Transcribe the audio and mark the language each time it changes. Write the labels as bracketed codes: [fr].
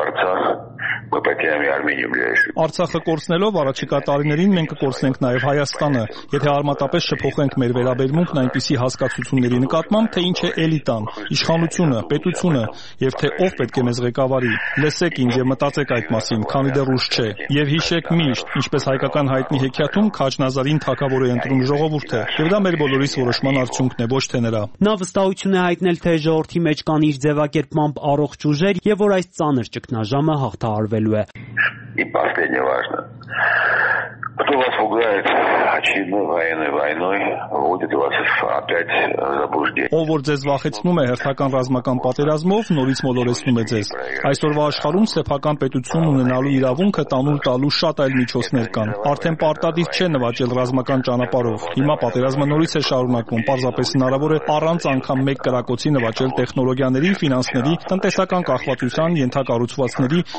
[hy] Արցախը կորցնելով առաջիկա տարիներին մենք կորցնենք նաև Հայաստանը, եթե արմատապես շփոխենք մեր վերաբերմունքն այնպիսի հասկացությունների նկատմամբ, թե ինչ է էլիտան, իշխանությունը, պետությունը, և թե ով պետք է մեզ ղեկավարի։ Լսեք ինձ և մտածեք այդ մասին, քանի դեռ ուշ չէ, և հիշեք միշտ, ինչպես հայկական հայտնի հեքիաթում Քաչ Նազարին թագավոր է ընտրում ժողովուրդը, և դա մեր բոլորիս որոշման արդյունքն է, ոչ թե նրա։ Նա վստահություն է հայտնել, թե ժողովրդի մեջ կան իր ձևակերպմամբ առողջ ուժեր, և որ այս ծանր ճգնաժամը հաղթահարվելու է։ [ru] И последнее важно. Кто вас пугает очередной военной войной, вводит вас опять в заблуждение. [hy] Ով որ ձեզ վախեցնում է հերթական ռազմական պատերազմով, նորից մոլորեցնում է ձեզ։ Այսօրվա աշխարհում սեփական պետություն ունենալու իրավունքը տանուլ տալու շատ այլ միջոցներ կան։ Արդեն պարտադիր չէ նվաճել ռազմական ճանապարհով։ Հիմա պատերազմը նորից է շարունակվում, պարզապես հնարավոր է առանց անգամ մեկ կրակոցի նվաճել տեխնոլոգիաների, ֆինանսների, տնտեսական կախվածության, ենթակառուցվածքների,